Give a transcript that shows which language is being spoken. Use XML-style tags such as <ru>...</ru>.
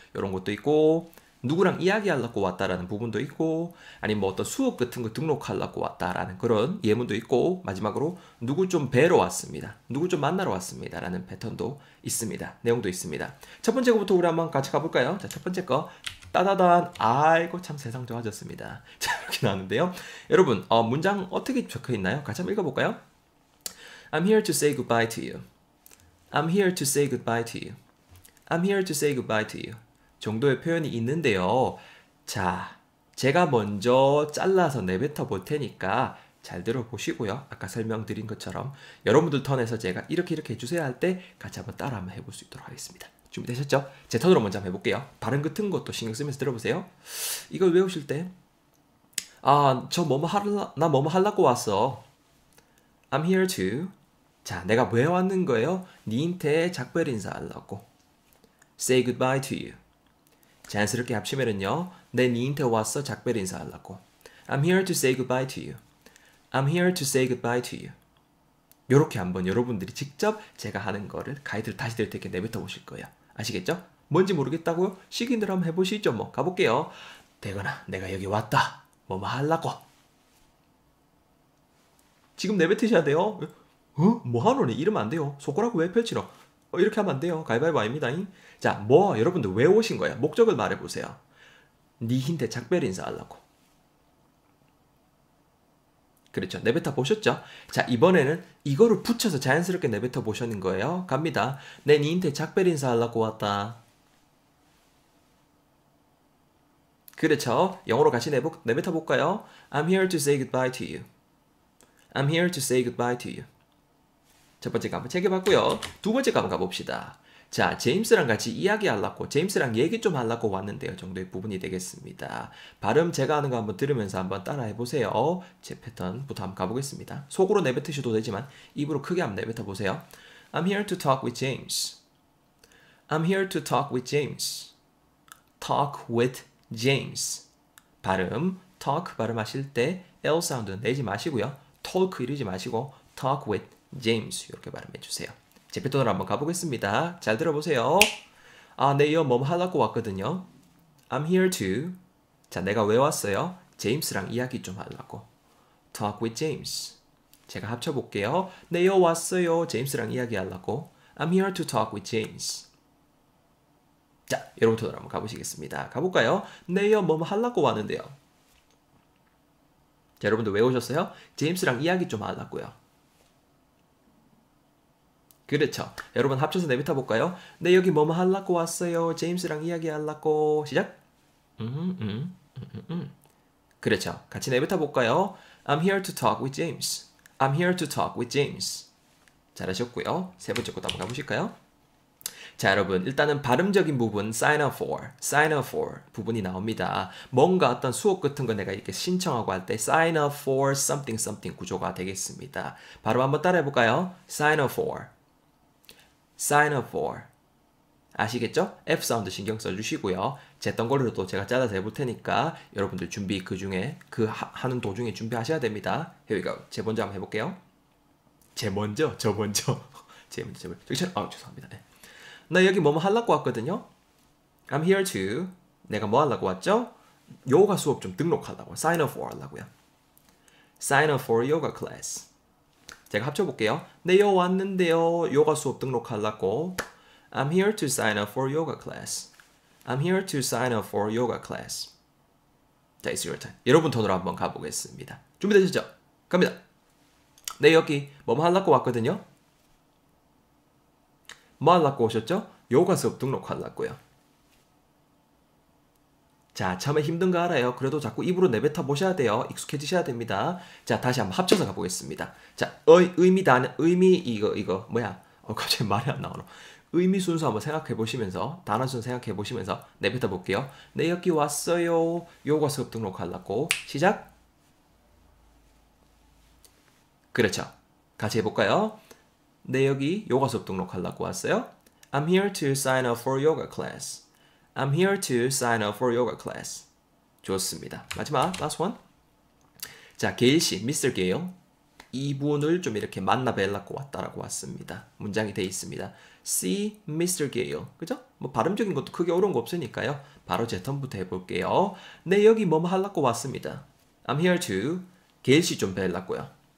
<ko>요런 것도 있고, 누구랑 이야기하려고 왔다라는 부분도 있고, 아니면 뭐 어떤 수업 같은 거 등록하려고 왔다라는 그런 예문도 있고, 마지막으로 누구 좀 뵈러 왔습니다. 누구 좀 만나러 왔습니다라는 패턴도 있습니다. 내용도 있습니다. 첫 번째 거부터 우리 한번 같이 가볼까요? 자, 첫 번째 거. 따다단. 아이고, 참 세상 좋아졌습니다. 자, 이렇게 나왔는데요. 여러분, 문장 어떻게 적혀 있나요? 같이 한번 읽어볼까요?</ko> <en>I'm here to say goodbye to you. I'm here to say goodbye to you. I'm here to say goodbye to you.</en> <ko>정도의 표현이 있는데요. 자, 제가 먼저 잘라서 내뱉어 볼 테니까 잘 들어보시고요. 아까 설명드린 것처럼 여러분들 턴에서 제가 이렇게 이렇게 해주세요 할때 같이 한번 따라 한번 해볼 수 있도록 하겠습니다. 준비되셨죠? 제 턴으로 먼저 한번 해볼게요. 발음 같은 것도 신경 쓰면서 들어보세요. 이걸 외우실 때, 아, 저 뭐뭐 하려, 나 뭐뭐 하려고 왔어.</ko> <en>I'm here to.</en> <ko>자, 내가 왜 왔는 거예요? 니한테 작별 인사하려고.</ko> <en>Say goodbye to you.</en> <ko>자연스럽게 합치면은요, 내 니한테 왔어 작별 인사하려고.</ko> <en>I'm here to say goodbye to you. I'm here to say goodbye to you.</en> <ko>요렇게 한번 여러분들이 직접 제가 하는 거를 가이드를 다시 드릴 테니까 내뱉어 보실 거예요. 아시겠죠? 뭔지 모르겠다고요? 시기대로 한번 해보시죠. 뭐 가볼게요. 되거나 내가 여기 왔다. 뭐뭐 하려고. 지금 내뱉으셔야 돼요. 어? 뭐 하노니? 이러면 안 돼요. 속으라고 왜 펼치노? 이렇게 하면 안 돼요. 가위바위보입니다잉. 자, 뭐 여러분들 왜 오신 거예요? 목적을 말해 보세요. 니한테 작별 인사하려고. 그렇죠. 내뱉어 보셨죠? 자, 이번에는 이거를 붙여서 자연스럽게 내뱉어 보시는 거예요. 갑니다. 내 니한테 작별 인사하려고 왔다. 그렇죠. 영어로 같이 내뱉어 볼까요?</ko> <en>I'm here to say goodbye to you. I'm here to say goodbye to you.</en> <ko>첫 번째 가면 체크해봤고요. 두 번째 가면 가봅시다. 자, 제임스랑 같이 이야기하려고, 제임스랑 얘기 좀 하려고 왔는데요. 정도의 부분이 되겠습니다. 발음 제가 하는 거 한번 들으면서 한번 따라해보세요. 제 패턴부터 한번 가보겠습니다. 속으로 내뱉으셔도 되지만 입으로 크게 한번 내뱉어보세요.</ko> <en>I'm here to talk with James. I'm here to talk with James. Talk with James.</en> <ko>발음, talk 발음하실 때 L 사운드 내지 마시고요. talk 이러지 마시고</ko> <en>talk with James</en> <ko>이렇게 발음해 주세요. 제 패턴으로 한번 가보겠습니다. 잘 들어보세요. 아, 네, 이거 뭐 하려고 왔거든요.</ko> <en>I'm here to.</en> <ko>자, 내가 왜 왔어요? 제임스랑 이야기 좀 하려고.</ko> <en>Talk with James.</en> <ko>제가 합쳐 볼게요. 네, 이거 왔어요. 제임스랑 이야기 하려고.</ko> <en>I'm here to talk with James.</en> <ko>자, 여러분 터널 한번 가보시겠습니다. 가볼까요? 네, 이거 뭐 하려고 왔는데요. 자, 여러분들 왜 오셨어요? 제임스랑 이야기 좀 하려고요. 그렇죠. 여러분 합쳐서 내뱉어 볼까요? 네, 여기 뭐뭐 하려고 왔어요. 제임스랑 이야기 하려고. 시작. 그렇죠. 같이 내뱉어 볼까요?</ko> <en>I'm here to talk with James. I'm here to talk with James.</en> <ko>잘하셨고요. 세 번째 것도 한번 가보실까요? 자, 여러분 일단은 발음적인 부분</ko> <en>sign up for</en> <ko>부분이 나옵니다. 뭔가 어떤 수업 같은 거 내가 이렇게 신청하고 할때</ko> <en>sign up for something something</en> <ko>구조가 되겠습니다. 바로 한번 따라해 볼까요?</ko> <en>sign up for. Sign up for.</en> <ko>아시겠죠? F 사운드 신경 써주시고요. 제던 걸로도 제가 잘라서 해볼 테니까 여러분들 준비 그 중에, 그 하는 도중에 준비하셔야 됩니다.</ko> <en>Here we go.</en> <ko>제 먼저 한번 해볼게요. 제 먼저, 저 먼저. 제 먼저, 제 먼저. 아, 죄송합니다. 네. 나 여기 뭐뭐 하려고 왔거든요.</ko> <en>I'm here to.</en> <ko>내가 뭐 하려고 왔죠? 요가 수업 좀 등록하려고.</ko> <en>Sign up for</en> <ko>하려고요.</ko> <en>Sign up for yoga class.</en> <ko>제가 합쳐볼게요. 네, 여 왔는데요. 요가 수업 등록하려고.</ko> <en>I'm here to sign up for yoga class. I'm here to sign up for yoga class. 자, it's your turn.</en> <ko>여러분 턴으로 한번 가보겠습니다. 준비되셨죠? 갑니다. 네, 여기 뭐 하려고 왔거든요. 뭐 하려고 오셨죠? 요가 수업 등록하려고요. 자, 처음에 힘든 거 알아요. 그래도 자꾸 입으로 내뱉어 보셔야 돼요. 익숙해지셔야 됩니다. 자, 다시 한번 합쳐서 가보겠습니다. 자, 의미다, 의미, 이거, 뭐야. 갑자기 말이 안 나오노. 의미 순서 한번 생각해 보시면서, 단어 순서 생각해 보시면서 내뱉어 볼게요. 네, 여기 왔어요. 요가 수업 등록하려고. 시작. 그렇죠. 같이 해볼까요? 네, 여기 요가 수업 등록하려고 왔어요.</ko> <en>I'm here to sign up for yoga class. I'm here to sign up for yoga class.</en> <ko>좋습니다. 마지막,</ko> <en>last one.</en> <ko>자, 게일 씨, Mr. Gale. 이분을 좀 이렇게 만나 뵐라고 왔다라고 왔습니다. 문장이 돼 있습니다.</ko> <en>See Mr. Gale.</en> <ko>그죠? 뭐 발음적인 것도 크게 어려운 거 없으니까요. 바로 제 턴부터 해볼게요. 네, 여기 뭐뭐 하려고 왔습니다.</ko> <en>I'm here to</en> <ko>게일 씨좀 뵐라고요.</ko>